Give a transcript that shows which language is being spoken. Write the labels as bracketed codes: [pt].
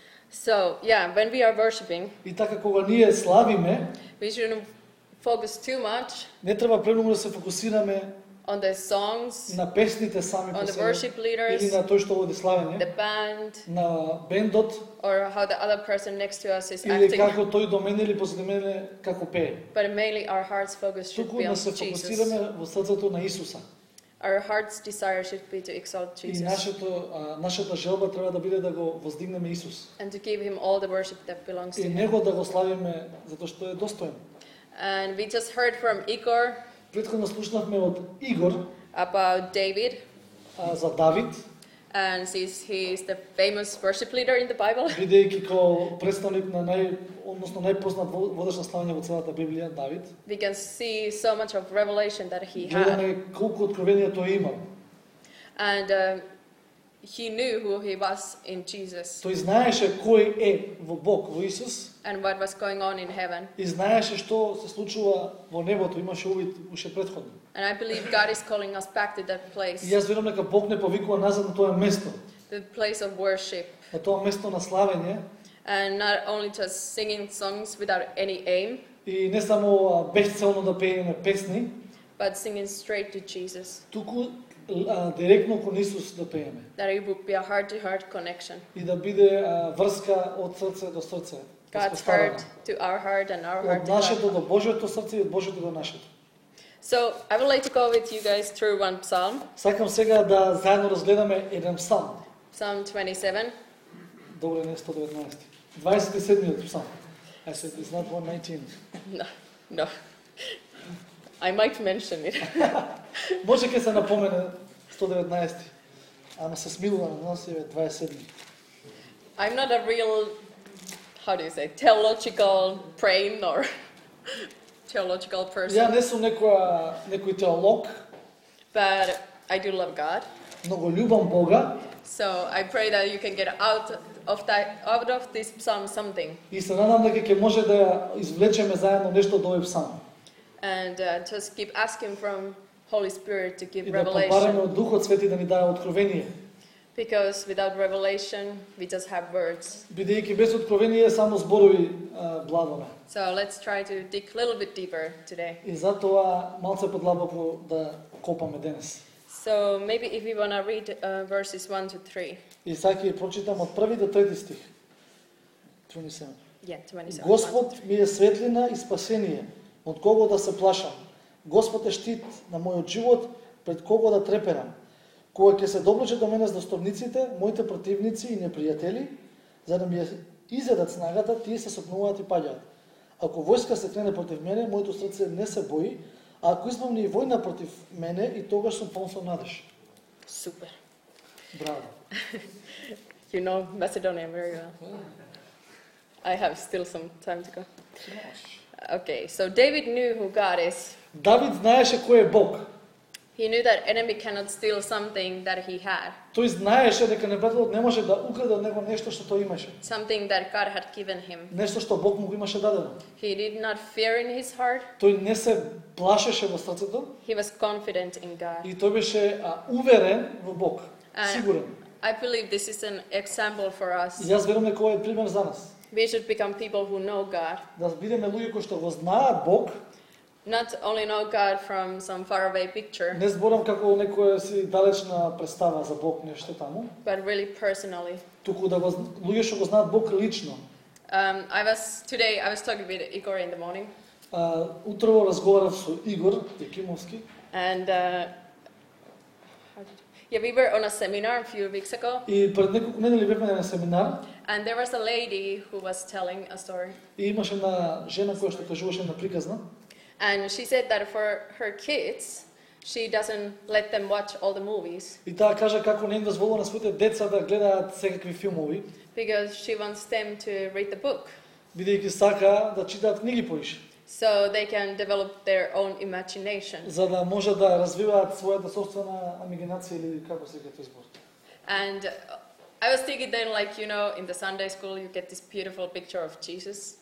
[en] So, yeah, when we are worshiping, [mk] i така кога ние славиме, [en] we shouldn't focus too much. [mk] Не треба премногу да се фокусираме [en] on the songs, [mk] на песните сами [en] on the worship leaders, [mk] или на тоа што оди славење, [en] the band, [mk] на бендот, [en] or how the other person next to us is acting. [mk] Или како тој до мене или позади мене како пее. [en] But mainly our hearts focus should be on Jesus. [mk] Туку да се фокусираме во срцето на Исуса. [en] Our heart's desire should be to exalt Jesus. [mk] И нашата желба треба да биде да го воздигнеме Исус. [en] And to give him all the worship that belongs to him. [mk] И него да го славиме затоа што е достоен. [en] And we just heard from Igor. [mk] Претходно слушнавме од Игор. [en] About David. [mk] За Давид. [en] And since he is the famous worship leader in the Bible. [mk] Бидејќи како представник на најпознат водач на славење во целата Библија, Давид. [en] We can see so much of revelation that he had. [mk] Гледаме колку откровение тој имал. [en] And he knew who he was in Jesus. [mk] Тој знаеше кој е во Бог, во Исус. [en] And what was going on in heaven. [mk] И знаеше што се случува во небото, имаше увид уште претходно. [en] And I believe God is calling us back to that place. [mk] Јас верувам дека Бог не повикува назад на тоа место. [en] The place of worship. [mk] На тоа место на славење. [en] And not only just singing songs without any aim. [mk] И не само бесцелно да пееме песни. [en] But singing straight to Jesus. [mk] Туку директно кон Исус да пееме. [en] That it would be a heart-to-heart connection. [mk] И да биде врска од срце до срце. [en] God's heart to our heart and our heart to God. [mk] Нашето до Божјото срце и од Божјото до нашето. [en] So, I would like to go with you guys through one psalm. [mk] Сакам сега да заедно разгледаме еден псалм. [en] Psalm 27. [mk] Добре, не 119. 27-миот псалм. [en] I said it's not 119. No. I might mention it. [mk] Може ќе се напомене 119-ти. Ама се смилува на нас, еве 27. [en] I'm not a real, how do you say, theological brain or theological person. [mk] Ја не сум некој теолог. [en] But I do love God. [mk] Многу љубам Бога. [en] So I pray that you can get out of this psalm something. [mk] И се надам дека ќе може да извлечеме заедно нешто од овој псалм. [en] And just keep asking from Holy Spirit to give revelation. [mk] И да побараме од Духот Свети да ни даде откровение. [en] Because without revelation, we just have words. [mk] Бидејќи без откровение само зборови бладове. [en] So let's try to dig a little bit deeper today. [mk] И затоа малце подлабоко да копаме денес. [en] So maybe if we want to read verses 1 to 3. [mk] И сакам да прочитам од први до трети стих. [en] 27. Yeah, 27. [mk] Господ ми е светлина и спасение, од кого да се плашам? Господ е штит на мојот живот, пред кого да треперам? Кога ќе се доближат до мене здостовниците, моите противници и непријатели, за да ми изедат снагата, тие се сопнуваат и паѓаат. Ако војска се крене против мене, моето срце не се бои, а ако избавни и војна против мене, и тогаш сум полн со надеж. Супер. Браво. [en] You know Macedonia very well. I have still some time to go. Okay, so David knew who God is. [mk] David знаеше кој е Бог. [en] He knew that enemy cannot steal something that he had. [mk] Тој знаеше дека непријателот не може да украде од него нешто што тој имаше. [en] Something that God had given him. [mk] Нешто што Бог му го имаше дадено. [en] He did not fear in his heart. [mk] Тој не се плашеше во срцето. [en] He was confident in God. [mk] И тој беше уверен во Бог. Сигурен. [en] I believe this is an example for us. [mk] Јас верувам дека е пример за нас. [en] We should become people who know God. [mk] Да бидеме луѓе кои што го знаат Бог. [en] Not only know God from some faraway picture. [mk] Не зборам како некоја си далечна представа за Бог нешто таму. [en] But really personally. [mk] Туку да луѓе што го знаат Бог лично. [en] I was talking with Igor in the morning. [mk] Утрово разговарав со Игор Јакимовски. [en] And yeah, we were on a seminar a few weeks ago. [mk] И пред неколку недели бевме на семинар. [en] And there was a lady who was telling a story. [mk] И имаше една жена која што кажуваше на приказна. [en] And she said that for her kids, she doesn't let them watch all the movies. [mk] И таа кажа како не им дозволува на своите деца да гледаат секакви филмови. [en] Because she wants them to read the book. [mk] Бидејќи сака да читаат книги повише. [en] So they can develop their own imagination. [mk] За да може да развиваат својата собствена имагинација или како се кажува збор. [en] And I was thinking then, like, you know, in the Sunday school you get this beautiful picture of Jesus.